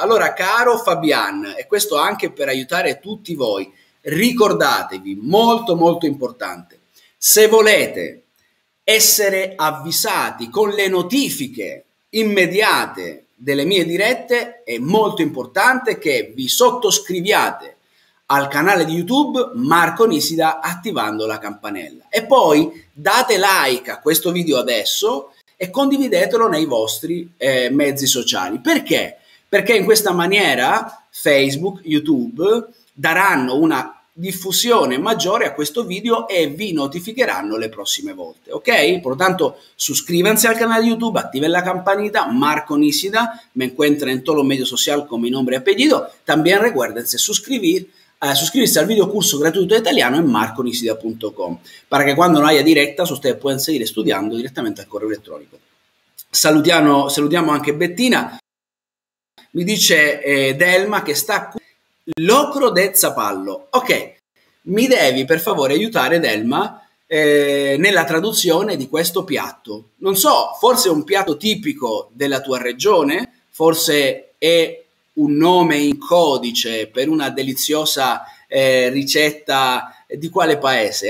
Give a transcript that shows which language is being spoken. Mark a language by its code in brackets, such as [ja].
[it] Allora, caro Fabian, e questo anche per aiutare tutti voi, ricordatevi, molto molto importante, se volete essere avvisati con le notifiche immediate delle mie dirette, è molto importante che vi sottoscriviate al canale di YouTube Marco Nisida attivando la campanella e poi date like a questo video adesso e condividetelo nei vostri mezzi sociali. Perché? Perché in questa maniera Facebook, YouTube daranno una diffusione maggiore a questo video e vi notificheranno le prossime volte, ok? [es] Pertanto, suscrivansi al canale YouTube, attiva la campanita, Marco Nisida, me encuentra en todos los medios sociales con mi nombre y apellido, también recuérdense suscribirse al video curso gratuito italiano en marconisida.com, para que cuando no haya directa, ustedes puedan seguir estudiando directamente al correo electrónico. [it] Salutiamo anche Bettina, mi dice Delma che sta locro de zapallo. Ok, mi devi per favore aiutare, Delma, nella traduzione di questo piatto. Non so, forse è un piatto tipico della tua regione, forse è un nome in codice per una deliziosa ricetta di quale paese?